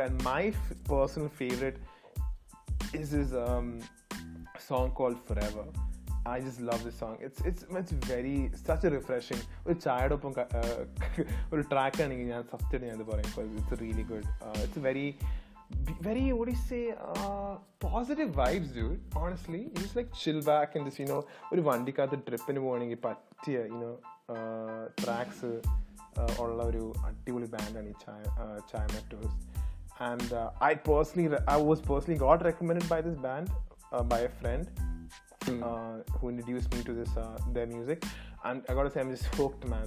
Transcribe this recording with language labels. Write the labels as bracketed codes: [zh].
[en] And my personal favorite is this song called Forever. I just love this song. It's very such a refreshing. It's really good. It's very very, what do you say, positive vibes, dude. Honestly, you just like chill back and just, you know, [ml] ഒരു വണ്ടി കാത്ത് ട്രിപ്പിന് പോകണമെങ്കിൽ പറ്റിയ, you know, tracks ഉള്ള ഒരു അടിപൊളി ബാൻഡാണ് ഈ ചായ ചായ മെറ്റോസ്. [en] And I was personally got recommended by this band by a friend. Who introduced me to this their music, and I gotta say I'm just hooked, man.